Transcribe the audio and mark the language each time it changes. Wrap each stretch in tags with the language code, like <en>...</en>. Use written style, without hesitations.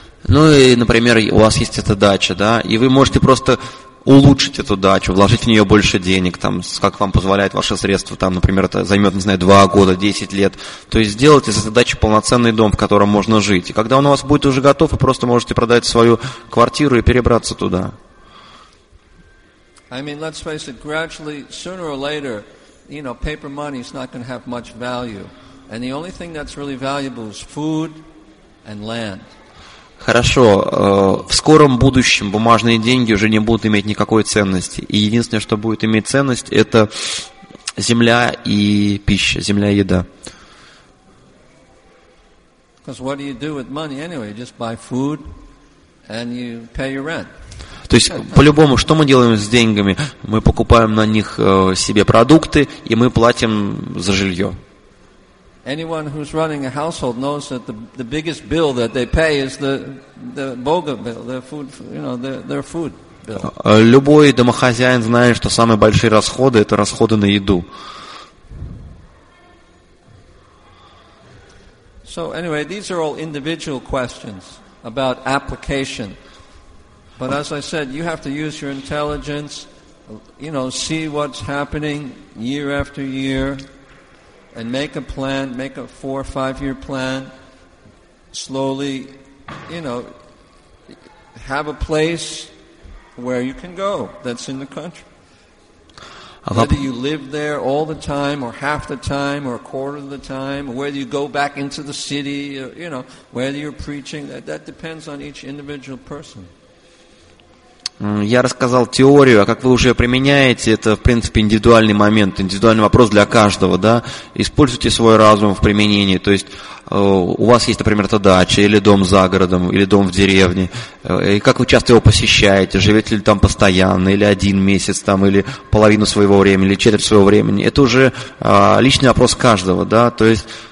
<ru>Ну и, например, у вас есть эта дача, да, и вы можете просто улучшить эту дачу, вложить в нее больше денег, там, как вам позволяет ваше средство, там, например, это займет, не знаю, 2 года, 10 лет. То есть сделать из этой дачи полноценный дом, в котором можно жить. И когда он у вас будет уже готов, вы просто можете продать свою квартиру и перебраться туда.</ru> <en>I mean, let's face it, gradually, sooner or later, you know, paper money is not going to have much value. And the only thing that's really valuable is food and land.</en> <ru>Хорошо, в скором будущем бумажные деньги уже не будут иметь никакой ценности. И единственное, что будет иметь ценность, это земля и пища, земля и еда.</ru> <en>Because what do you do with money anyway? You just buy food and you pay your rent.</en> <ru>То есть, по-любому, что мы делаем с деньгами? Мы покупаем на них себе продукты и мы платим за жилье.</ru> <en>Anyone who's running a household knows that the biggest bill that they pay is the boga bill, the food, you know, their food bill.</en> <ru>Любой домохозяин знает, что самые большие расходы это расходы на еду.</ru> <en>So anyway, these are all individual questions about application. But as I said, you have to use your intelligence, you know, see what's happening year after year. And make a plan, make a 4 or 5 year plan. Slowly, you know, have a place where you can go that's in the country. Whether you live there all the time or half the time or a quarter of the time, or whether you go back into the city, or, you know, whether you're preaching, that depends on each individual person.</en> <ru>Я рассказал теорию, а как вы уже ее применяете, это, в принципе, индивидуальный момент, индивидуальный вопрос для каждого, да? Используйте свой разум в применении, то есть у вас есть, например, эта дача, или дом за городом, или дом в деревне, и как вы часто его посещаете, живете ли там постоянно, или один месяц, там, или половину своего времени, или четверть своего времени, это уже личный вопрос каждого, да? То есть...</ru>